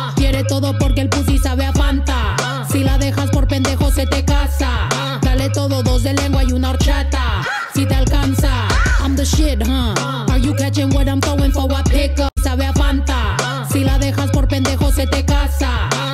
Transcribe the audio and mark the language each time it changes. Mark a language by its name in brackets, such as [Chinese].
[Spanish] Quiere todo porque el pussy sabe a Fanta. Si la dejas por pendejo se te casa. Dale todo, dos de lengua y una horchata. Si te alcanza. [English] I'm the shit, huh? Are you catching what I'm throwing for a pickup? [Spanish] Sabe a Fanta. Si la dejas por pendejo se te casa.